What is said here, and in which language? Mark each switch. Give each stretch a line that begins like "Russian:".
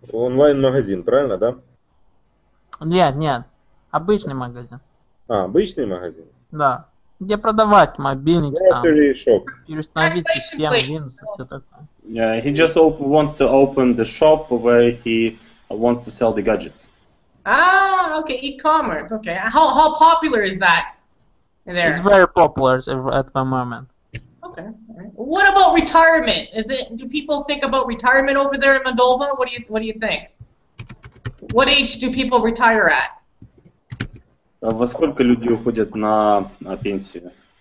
Russian: Онлайн-магазин, правильно, да? Нет. Обычный магазин. А, обычный магазин? Да. Где продавать мобильник,
English: Grocery
Russian: там.
English: Shop.
Russian: Переустановить систему Windows и все такое.
English: Yeah, he just wants to open the shop where he wants to sell the gadgets. Okay, e-commerce, okay. How popular is that? There. It's very popular at the moment. Okay. Right. What about retirement? Do people think about retirement over there in Moldova? What do you think? What age do people retire at?
Russian: Во сколько люди уходят на пенсию?